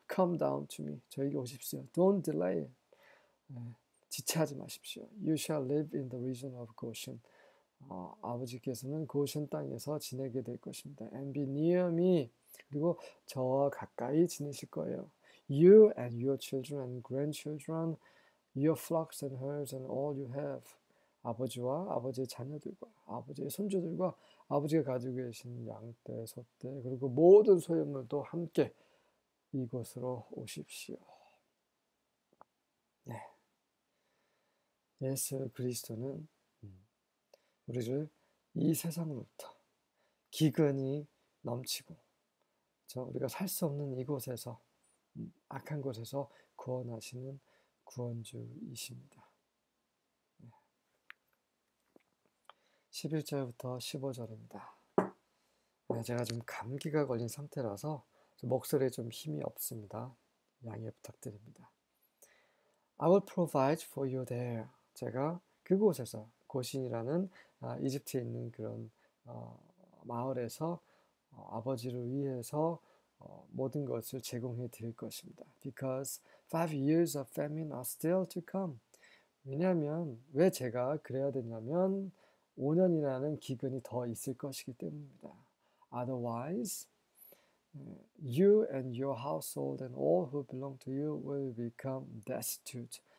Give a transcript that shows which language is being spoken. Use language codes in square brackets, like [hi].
[en] Come down to me. [ko] 저에게 오십시오. [en] Don't delay. [ko] 지체하지 마십시오. [en] You shall live in the region of Goshen. [ko] 아버지께서는 고센 땅에서 지내게 될 것입니다. [en] And be near me. [ko] 그리고 저와 가까이 지내실 거예요. [en] You and your children and grandchildren, your flocks and herds and all you have. [ko] 아버지와 아버지의 자녀들과 아버지의 손주들과 아버지가 가지고 계신 양떼, 소떼, 그리고 모든 소유물도 함께 이곳으로 오십시오. 예수 그리스도는 우리를 이 세상으로부터 기근이 넘치고 저 우리가 살수 없는 이곳에서 악한 곳에서 구원하시는 구원주이십니다. 11절부터 15절입니다. 제가 좀 감기가 걸린 상태라서 목소리에 좀 힘이 없습니다. 양해 부탁드립니다. [en] I will provide for you there. [ko] 제가 그곳에서 고신이라는 이집트에 있는 그런 마을에서 아버지를 위해서 모든 것을 제공해 드릴 것입니다. [en] Because 5 years of famine are still to come. [ko] 왜냐하면 왜 제가 그래야 되냐면 5년이라는 기근이 더 있을 것이기 때문입니다. [en] Otherwise, you and your household and all who belong to you will become destitute.